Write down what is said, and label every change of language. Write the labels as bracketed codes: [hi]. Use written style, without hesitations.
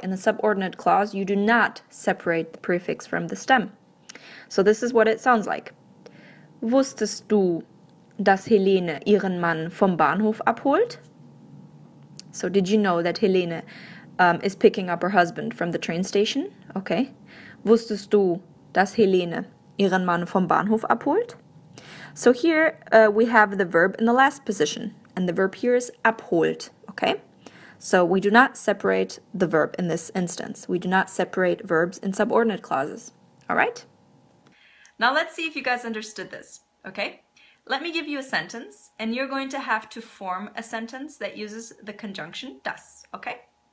[en] In the subordinate clause, you do not separate the prefix from the stem. So this is what it sounds like. [de] Wusstest du, dass Helene ihren Mann vom Bahnhof abholt? [en] So, did you know that Helene is picking up her husband from the train station? Okay. [de] Wusstest du, dass Helene ihren Mann vom Bahnhof abholt? [en] So here we have the verb in the last position, and the verb here is abholt, okay? So we do not separate the verb in this instance. We do not separate verbs in subordinate clauses, all right? Now let's see if you guys understood this, okay? Let me give you a sentence, and you're going to have to form a sentence that uses the conjunction das, okay?